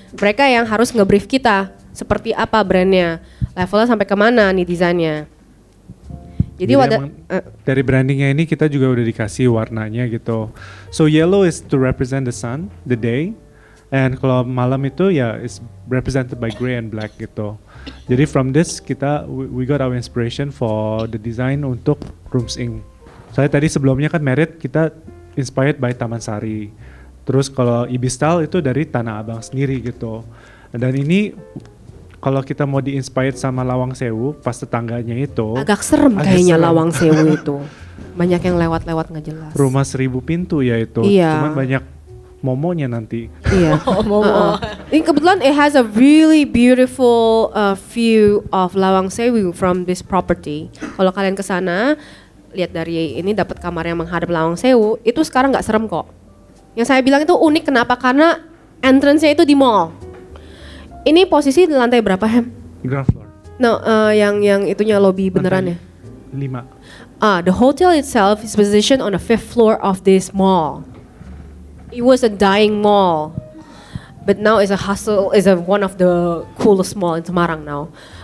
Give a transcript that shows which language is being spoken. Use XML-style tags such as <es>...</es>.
<id>Mereka yang harus nge-brief kita seperti apa brandnya, levelnya sampai kemana nih desainnya. Jadi wadah, dari brandingnya ini kita juga udah dikasih warnanya gitu.</id> <en>So yellow is to represent the sun, the day, and</en> <id>kalau malam itu ya</id> <en>is represented by gray and black gitu. Jadi from this kita we got our inspiration for the design untuk Rooms Inc.</en> <id>Saya tadi sebelumnya kan merit kita inspired by Taman Sari. Terus kalau IB Style itu dari Tanah Abang sendiri gitu. Dan ini kalau kita mau diinspired sama Lawang Sewu pas tetangganya itu agak serem agak kayaknya serem. Lawang Sewu itu banyak yang lewat-lewat nggak jelas. Rumah seribu pintu ya itu. Iya. Cuman banyak momonya nanti. Iya. Momo. Ini kebetulan</id> <en>it has a really beautiful view of Lawang Sewu from this property.</en> <id>Kalau kalian kesana lihat dari ini dapat kamar yang menghadap Lawang Sewu itu sekarang nggak serem kok. Yang saya bilang itu unik kenapa? Karena entrance-nya itu di mall. Ini posisi lantai berapa Hem?</id> <en>Ground floor.</en> <id>No, yang itunya lobby beneran ya? 5.</id> <en>The hotel itself is positioned on the 5th floor of this mall. It was a dying mall, but now it's a hustle, it's a one of the coolest mall in Semarang now.</en>